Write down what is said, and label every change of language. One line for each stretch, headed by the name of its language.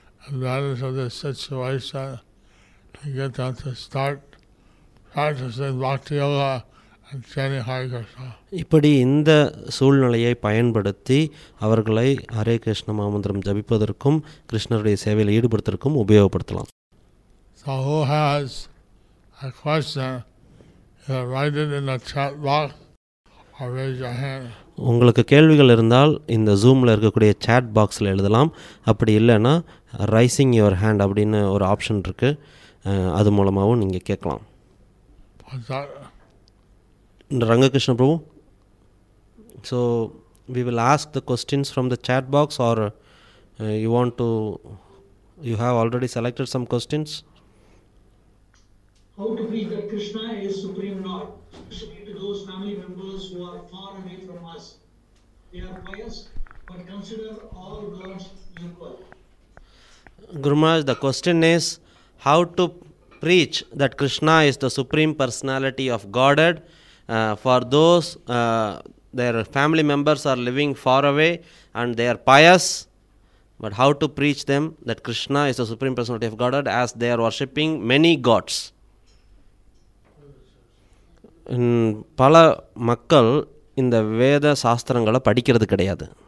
English: Advantage of this situation to get them to start practicing Bhakti Yoga and chanting Hare Krishna.
Tamil: இப்படி இந்த சூழ்நிலையை பயன்படுத்தி அவர்களை ஹரே கிருஷ்ண மாமந்திரம் ஜபிப்பதற்கும் கிருஷ்ணருடைய சேவையில் ஈடுபடுத்துவதற்கும் உபயோகப்படுத்தலாம்.
English: So who has a question, either write it in the chat box or raise your hand.
Tamil: உங்களுக்கு கேள்விகள் இருந்தால் இந்த ஜூமில் இருக்கக்கூடிய சாட் பாக்ஸில் எழுதலாம். அப்படி இல்லைன்னா
English: raising your hand
Tamil: அப்படின்னு ஒரு ஆப்ஷன் இருக்குது, அது மூலமாகவும் நீங்கள் கேட்கலாம்.
English: Rangakrishna Prabhu, so we will ask the questions from the chat box or you want to you have already selected some questions. How to be that Krishna is Supreme Lord, especially to those family members who are far away from us. They are pious, but consider all gods equal. Guru Maharaj, the question is, how to preach that Krishna is the Supreme Personality of Godhead for those, their family members are living far away and they are pious. But how to preach them that Krishna is the Supreme Personality of Godhead as they are worshipping many gods?
Tamil: பல மக்கள் இந்த வேத சாஸ்திரங்களை படிக்கிறது கிடையாது.